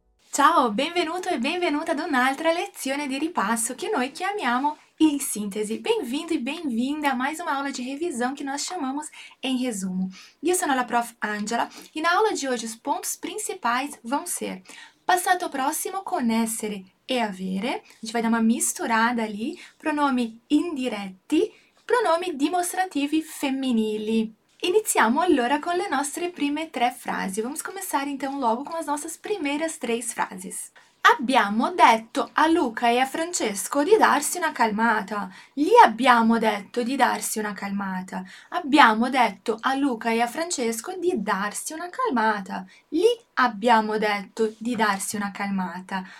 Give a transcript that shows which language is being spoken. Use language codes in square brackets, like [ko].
[it] Ciao, benvenuto e benvenuta ad un'altra lezione di ripasso che noi chiamiamo in sintesi. [pt] Bem-vindo e bem-vinda a mais uma aula de revisão que nós chamamos em resumo. Eu sou a Prof. Angela e na aula de hoje os pontos principais vão ser [it] passato próximo con essere e avere. [pt] A gente vai dar uma misturada ali, [it] pronomi indiretti, pronomi dimostrativi femminili. Iniziamo allora con le nostre prime tre frasi. [pt] Vamos começar então logo com as nossas primeiras três frases. [it] Abbiamo detto a Luca e a Francesco di darsi una calmata. Gli abbiamo detto di darsi una calmata. Abbiamo detto a Luca e a Francesco di darsi una calmata. Gli abbiamo detto di darsi una calmata.